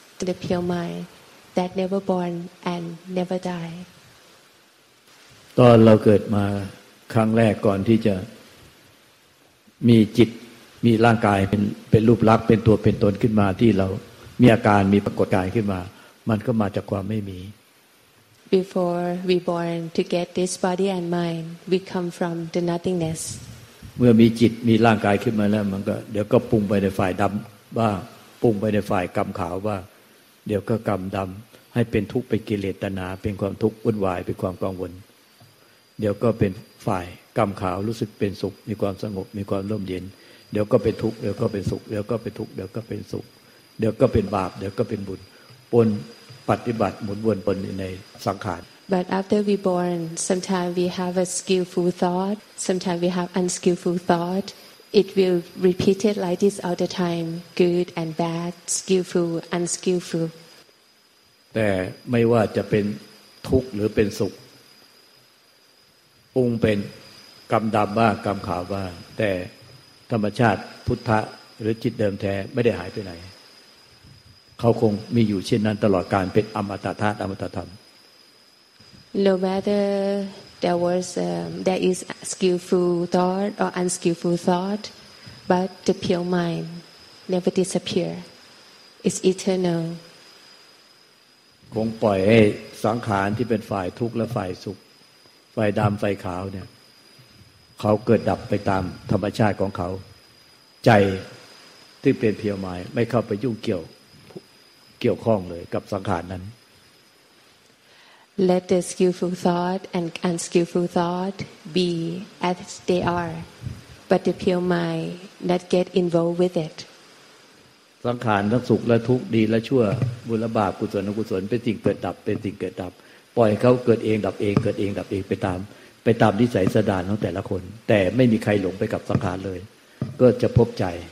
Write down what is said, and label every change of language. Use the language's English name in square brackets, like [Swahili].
[English] The pure mind that never born and never die [Thai] ตอนเราเกิดมาครั้งแรกก่อนที่จะมีจิตมีร่างกายเป็นรูปลักษณ์เป็นตัวเป็นตนขึ้นมาที่เรามีอาการมีปรากฏกายขึ้นมามันก็มาจากความไม่มี [English] Before we born to get this body and mind we come from the nothingness [Thai] เมื่อมีจิตมีร่างกายขึ้นมาแล้วมันก็เดี๋ยวก็ปรุงไปในฝ่ายดำบ้างปรุงไปในฝ่ายกรรมขาวบ้างเดี๋ยวก็กรรมดำให้เป็นทุกข์เป็นกิเลสตัณหาเป็นความทุกข์วุ่นวายเป็นความกังวลเดี๋ยวก็เป็นฝ่ายกรรมขาวรู้สึกเป็นสุขมีความสงบมีความร่มเย็นเดี๋ยวก็เป็นทุกข์เดี๋ยวก็เป็นสุขเดี๋ยวก็เป็นทุกข์เดี๋ยวก็เป็นสุขเดี๋ยวก็เป็นบาปเดี๋ยวก็เป็นบุญปนปฏิบัติหมุนวนปนในสังขาร [English] But after we born sometimes we have a skillful thought sometimes we have unskillful thought it will repeat it like this all the time good and bad skillful unskillful [Thai] แต่ไม่ว่าจะเป็นทุกข์หรือเป็นสุขปรุงเป็นกรรมดำบ้างกรรมขาวบ้างแต่ธรรมชาติพุทธะหรือจิตเดิมแท้ไม่ได้หายไปไหนเขาคงมีอยู่เช่นนั้นตลอดกาลเป็นอมตะธาตุอมตะธรรม [English] No matter there is skillful thought or unskillful thought, but the pure mind never disappear. It's eternal. [Thai] คงปล่อยให้สังขารที่เป็นฝ่ายทุกข์และฝ่ายสุขฝ่ายดำฝ่ายขาวเนี่ยเขาเกิดดับไปตามธรรมชาติของเขาใจที่เป็นเพียวไม้ไม่เข้าไปยุ่งเกี่ยวข้องเลยกับสังขารนั้น [English] Let the skillful thought and unskillful thought be as they are but the pure mind not get involved with it [Thai] สังขารทั้งสุขและทุกข์ดีและชั่วบุญและบาปกุศลอกุศลเป็นสิ่งเกิดดับเป็นสิ่งเกิดดับปล่อยเขาเกิดเองดับเองเกิดเองดับเองไปตามนิสัยสันดานของแต่ละคนแต่ไม่มีใครหลงไปกับสังขารเลยก็จะพบใจ